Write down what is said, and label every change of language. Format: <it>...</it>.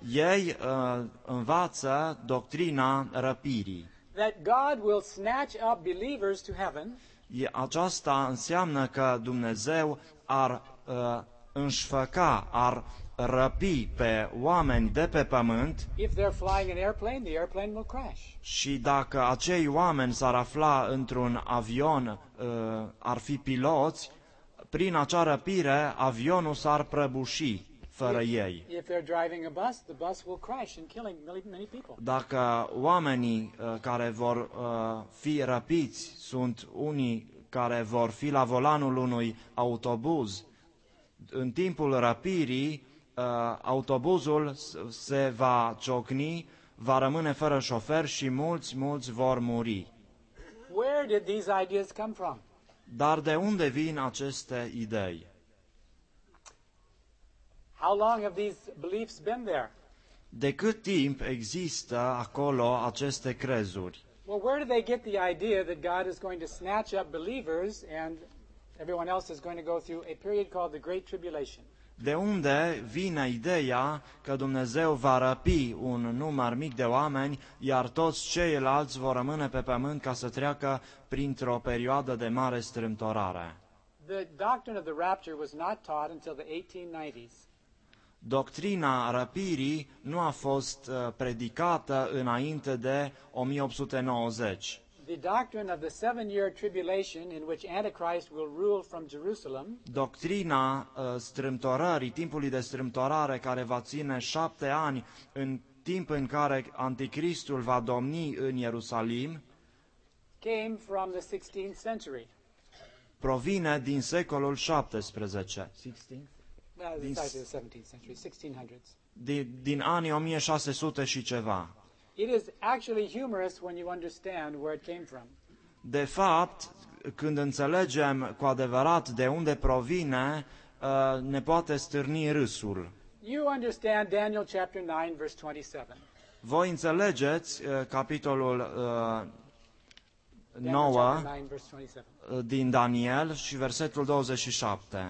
<ro>Ei învață doctrina răpirii.</ro> <en>That God will snatch up believers to heaven.</en> <ro>Aceasta înseamnă că Dumnezeu ar înșfăca, ar răpi pe oameni de pe pământ.</ro> <en>If they're flying an airplane, the airplane will crash.</en> <ro>Și dacă acei oameni s-ar afla într-un avion, ar fi piloți, prin acea răpire, avionul s-ar prăbuși fără ei.</ro> <en>If they're driving a bus, the bus will crash and kill many people.</en> <ro>Dacă oamenii care vor fi răpiți sunt unii care vor fi la volanul unui autobuz, în timpul răpirii, autobuzul se va ciocni, va rămâne fără șofer și mulți, mulți vor muri.</ro> <en>Where did these ideas come from?</en> <ro>Dar de unde vin aceste idei?</ro> <en>How long have these beliefs been there?</en> <ro>De cât timp există acolo aceste crezuri?</ro> <en>Well, where do they get the idea that God is going to snatch up believers and everyone else is going to go through a period called the Great Tribulation?</en> <ro>De unde vine ideea că Dumnezeu va răpi un număr mic de oameni, iar toți ceilalți vor rămâne pe pământ ca să treacă printr-o perioadă de mare strâmtorare?</ro> <en>The doctrine of the rapture was not taught until the 1890s.</en> <ro>Doctrina răpirii nu a fost predicată înainte de 1890.</ro> <en>The doctrine of the seven-year tribulation in which Antichrist will rule from Jerusalem.</en> <ro>Doctrina strâmtorării, timpului de strâmtorare care va ține 7 ani, în timp în care Anticristul va domni în Ierusalim.</ro> <en>Came from the 16th century.</en> <ro>Provine din secolul 17.</ro> <en>1600s.</en> <ro>Din anii 1600 și ceva.</ro> <en>It is actually humorous when you understand where it came from.</en> <ro>De fapt, când înțelegem cu adevărat de unde provine, ne poate stârni râsul.</ro> <en>You understand Daniel chapter 9 verse 27.</en> <ro>Voi înțelegeți capitolul 9 din Daniel și versetul 27.</ro>